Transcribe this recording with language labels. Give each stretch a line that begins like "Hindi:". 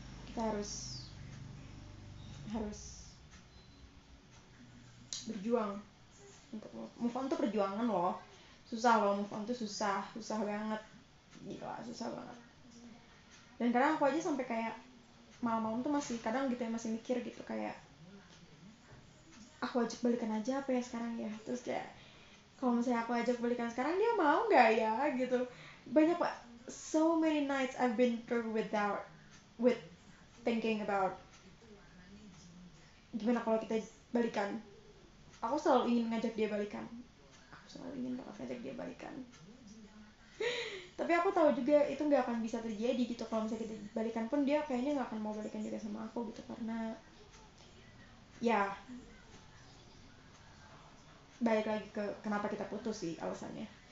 Indonesian: Kita harus harus berjuang untuk move on tuh perjuangan loh, susah loh move on tuh, susah banget gila, susah banget. Dan kadang aku aja sampai kayak malam-malam tuh masih kadang gitu ya, masih mikir gitu kayak aku ajak balikan aja apa ya sekarang ya. Terus kayak kalau misalnya aku ajak balikan sekarang, dia mau gak ya gitu. Banyak pak,
English: so many nights I've been through with thinking about
Indonesian: gimana kalau kita balikan. Aku selalu ingin ngajak dia balikan, aku selalu ingin banget ngajak dia balikan. Tapi aku tahu juga itu gak akan bisa terjadi gitu. Kalau misalnya kita balikan pun, dia kayaknya gak akan mau balikan juga sama aku gitu. Karena ya balik lagi ke kenapa kita putus sih alasannya.